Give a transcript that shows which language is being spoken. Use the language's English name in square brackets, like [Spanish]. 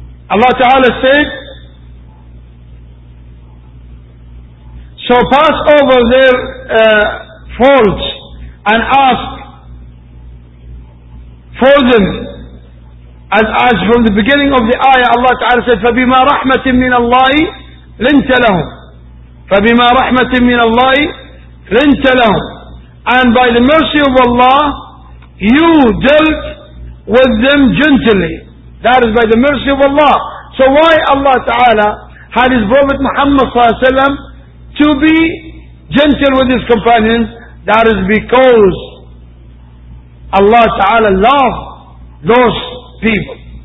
[English] Allah Ta'ala said, so pass over their faults and ask for them. [Arabic] As from the beginning of the ayah, Allah Ta'ala said, فَبِمَا رَحْمَةٍ مِّنَ اللَّهِ لِنْتَ لَهُمْ فَبِمَا رَحْمَةٍ مِّنَ اللَّهِ لِنْتَ لَهُمْ. [English] And by the mercy of Allah, you dealt with them gently. That is by the mercy of Allah. So why Allah Ta'ala had His Prophet Muhammad Sallallahu Alaihi Wasallam to be gentle with His companions? That is because Allah Ta'ala loved those people.